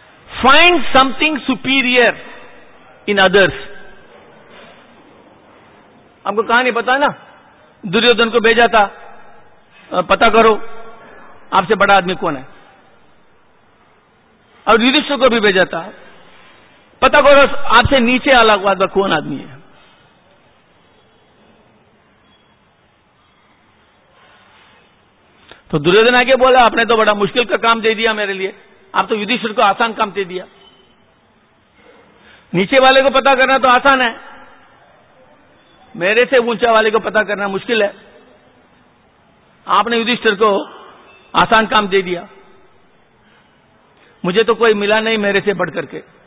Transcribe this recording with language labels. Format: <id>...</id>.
<en>Find something superior in others.</en> <ur>آپ کو کہانی پتا نا, دریودھن کو بھیجا تھا پتا کرو آپ سے بڑا آدمی کون ہے, اور یدھیشٹھر کو بھی بھیجا تھا پتا کرو آپ سے نیچے الگ واد کون آدمی ہے. تو دریودھن آگے بولا, آپ نے تو بڑا مشکل کا کام دے دیا میرے لیے, آپ تو یدھیشٹھر کو آسان کام دے دیا. نیچے والے کو پتا کرنا تو آسان ہے, میرے سے اونچا والے کو پتا کرنا مشکل ہے. آپ نے یدھیشٹھر کو آسان کام دے دیا, مجھے تو کوئی ملا نہیں میرے سے بڑھ کر کے.</ur>